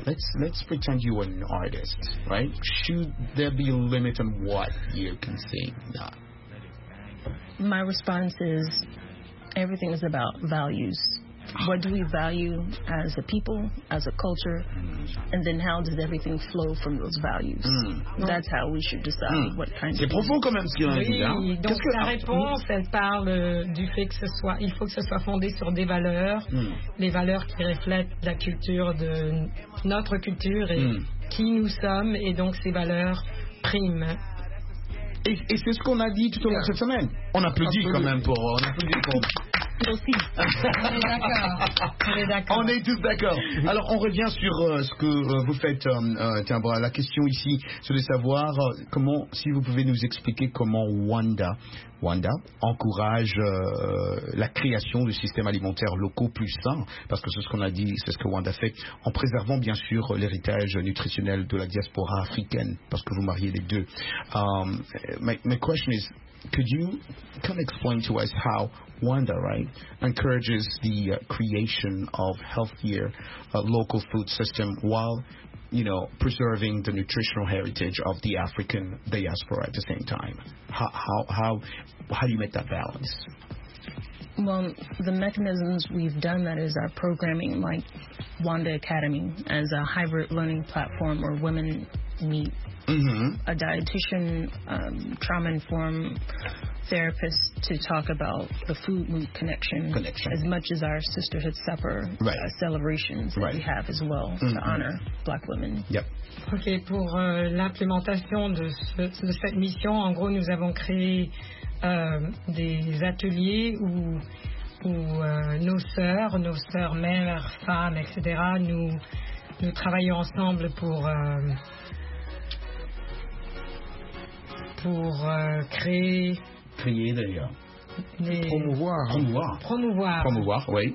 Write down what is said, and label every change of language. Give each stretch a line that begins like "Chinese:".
English: Let's pretend you're an artist, right? Should there be a limit on what you can sing? No. My response is everything is about values. What do we value as a people, as a culture, and then how does everything flow from those values? That's how we should decide what kind.
French: C'est profond quand même ce qu'il a dit. Donc la réponse, elle parle du fait que ce soit, il faut que ce soit fondé sur des valeurs, les valeurs qui reflètent la culture de notre culture et qui nous sommes, et donc ces valeurs priment. Et c'est ce qu'on a dit tout au long de cette semaine. On applaudit quand même pour. On applaudit pour. On est d'accord. On est tous d'accord. Alors, on revient sur ce que vous faites. La question ici, c'est de savoir comment, si vous pouvez nous expliquer comment Wanda encourage la création de systèmes alimentaires locaux plus sains, parce que c'est ce qu'on a dit, c'est ce que Wanda fait, en préservant bien sûr l'héritage nutritionnel de la diaspora africaine, parce que vous mariez les deux.
English: My question is, could you come explain to us how Wanda, right, encourages the creation of healthier local food system while, you know, preserving the nutritional heritage of the African diaspora at the same time? How do you make that balance? Well, the mechanisms we've done that is our programming, like Wanda Academy as a hybrid learning platform where women meet a dietitian, trauma-informed therapist to talk about the food mood connection as much as our sisterhood supper celebrations that we have as well to honor black women. Yep.
French: Ok, pour l'implémentation de cette mission, en gros, nous avons créé des ateliers où nos sœurs, mères, femmes, etc., nous travaillons ensemble pour promouvoir.